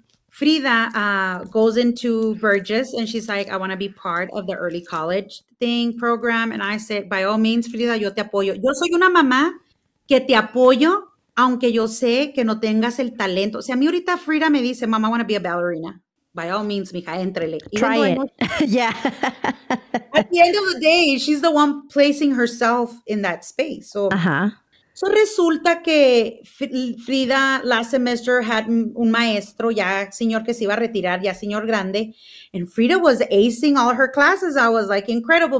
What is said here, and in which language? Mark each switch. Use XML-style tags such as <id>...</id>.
<en>Frida goes into Burgess and she's like, I want to be part of the early college thing program. And I said, by all means, Frida,</en> <es>yo te apoyo. Yo soy una mamá que te apoyo, aunque yo sé que no tengas el talento. O sea, a mí ahorita Frida me dice, mama,</es> <en>I want to be a ballerina. By all means, mija, entrele. Try it. Yeah. At the end of the day, she's the one placing herself in that space. So, uh-huh.</en> <es>So resulta que Frida</es> <en>last semester had</en> <es>un maestro, ya señor que se iba a retirar, ya señor grande.</es> <en>And Frida was acing all her classes. I was like, incredible.</en>